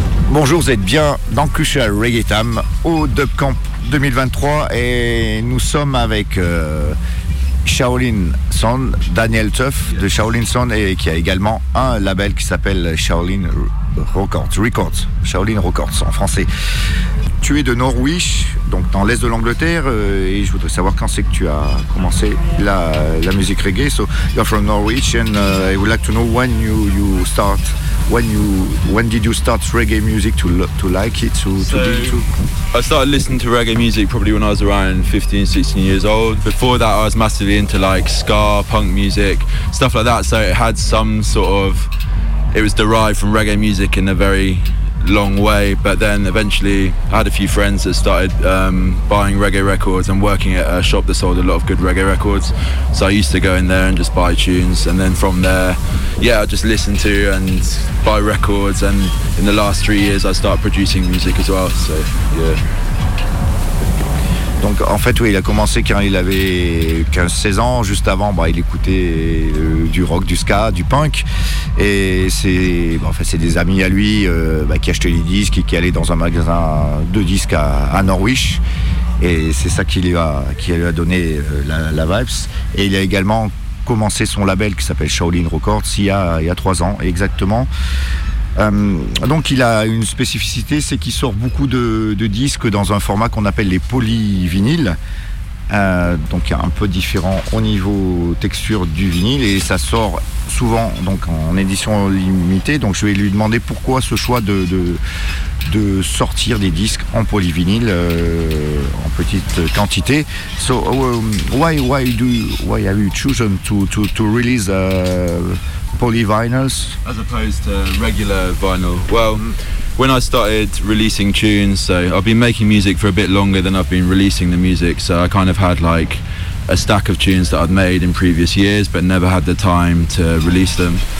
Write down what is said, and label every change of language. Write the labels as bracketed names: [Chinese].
[French] Bonjour, vous êtes bien dans Cuchet Reggae Tam au Dub Camp 2023 et nous sommes avec Shaolin Son, Daniel Tuff de Shaolin Son et qui a également un label qui s'appelle Shaolin Records. Shaolin Records en français. Tu es de Norwich, donc dans l'est de l'Angleterre, et je voudrais savoir quand c'est que tu as commencé la musique reggae. [English] So you're from Norwich and I would like to know when you start. When did you start reggae music to like it? I started listening to reggae music probably when I was around 15, 16 years old. Before that, I was massively into like ska, punk music, stuff like that. So it had some sort of, it was derived from reggae music in a very long way. But then eventually I had a few friends that started buying reggae records and working at a shop that sold a lot of good reggae records. So I used to go in there and just buy tunes. And then from there, yeah, I just listen to and buy records. And in the last 3 years, I started producing music as well. So, yeah. [French] Donc en fait oui, il a commencé quand il avait 15-16 ans, juste avant bah, il écoutait du rock, du ska, du punk. Et c'est, bon, en fait, c'est des amis à lui bah, qui achetaient les disques et qui allaient dans un magasin de disques à Norwich. Et c'est ça qui lui a donné la vibes. Et il a également commencé son label qui s'appelle Shaolin Records il y a 3 ans exactement. Donc il a une spécificité, c'est qu'il sort beaucoup de disques dans un format qu'on appelle les polyvinyles. Donc il y a un peu différent au niveau texture du vinyle et ça sort souvent donc, en édition limitée. Donc je vais lui demander pourquoi ce choix de sortir des disques en polyvinyle en petite quantité. [English] So why have you chosen to release polyvinyls as opposed to regular vinyl? Well, when I started releasing tunes, so I've been making music for a bit longer than I've been releasing the music, so I kind of had like a stack of tunes that I'd made in previous years but never had the time to release them.